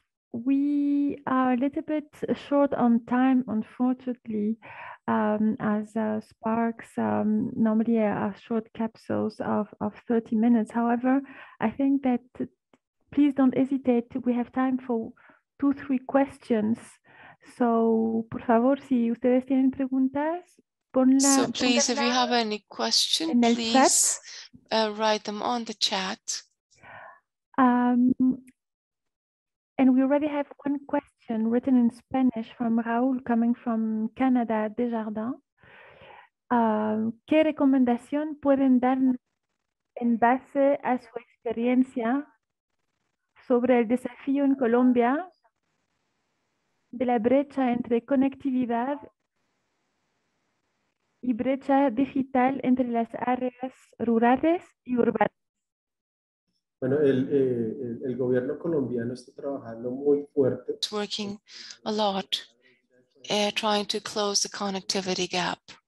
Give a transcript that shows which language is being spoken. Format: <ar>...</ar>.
<en>We are a little bit short on time, unfortunately, as Sparks normally are short capsules of 30 minutes. However, I think that, please don't hesitate, we have time for 2-3 questions.</en> <es>So, por favor, si ustedes tienen preguntas, ponla.</es> <en>So please, if you have any questions, please write them on the chat. And we already have one question written in Spanish from Raúl, coming from Canada, Desjardins.</en> <es>¿Qué recomendación pueden dar en base a su experiencia sobre el desafío en Colombia de la brecha entre conectividad y brecha digital entre las áreas rurales y urbanas? Bueno, el gobierno colombiano está trabajando muy fuerte.</es> <en>It's working a lot, trying to close the connectivity gap.</en>